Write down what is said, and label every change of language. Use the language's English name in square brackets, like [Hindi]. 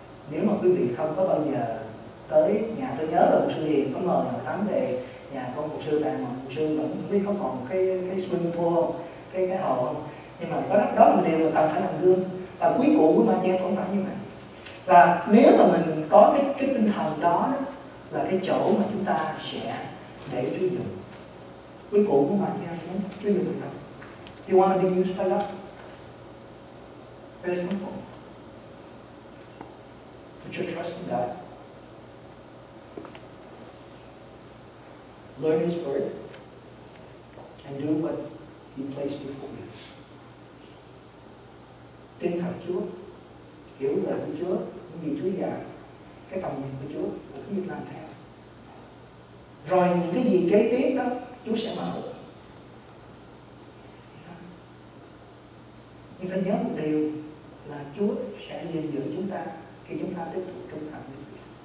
[Vietnamese] Nếu mà quý vị không có bao giờ tới nhà, tôi nhớ là một sư hiền có mời hàng tháng về nhà con một sư đàn, mà một sư vẫn không biết có còn cái swimming pool, cái hồ. Nhưng mà đó là một điều mà ta phải làm gương. Và quý cụ của ma chen cũng phải như vậy. Và nếu mà mình có cái tinh thần đó, là cái chỗ mà chúng ta sẽ để Chúa dùng. Quý cụ của mình nghe không? Chúa dùng được không? [English] Do you want to be used by God? Very simple. Put your trust in God. Learn His word and do what He placed before you. [Vietnamese] Tin thật Chúa, hiểu lời của Chúa, những gì Chúa dạy, cái tầm nhìn của Chúa, và cứ làm theo. Rồi những cái gì kế tiếp đó, Chúa sẽ mở. Nhưng phải nhớ một điều là Chúa sẽ gìn giữ chúng ta khi chúng ta tiếp tục trung thành với Chúa.